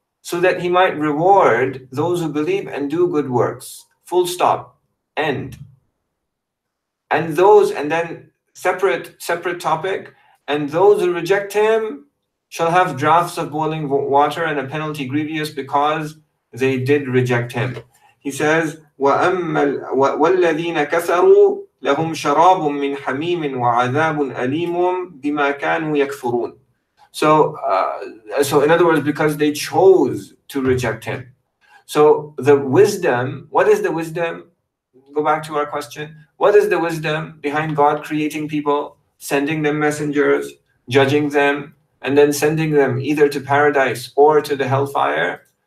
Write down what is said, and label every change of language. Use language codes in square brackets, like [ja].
[en] So that he might reward those who believe and do good works. Full stop. End. And those, and then separate topic, and those who reject him shall have drafts of boiling water and a penalty grievous because they did reject him. He says, [ar] وَالَّذِينَ كَفَرُوا لَهُمْ شَرَابٌ مِّنْ حَمِيمٍ وَعَذَابٌ أَلِيمٌ بِمَا كَانُوا يَكْفُرُونَ. [en] So in other words, because they chose to reject him. So the wisdom, what is the wisdom? Go back to our question. What is the wisdom behind God creating people, sending them messengers, judging them, and then sending them either to paradise or to the hellfire?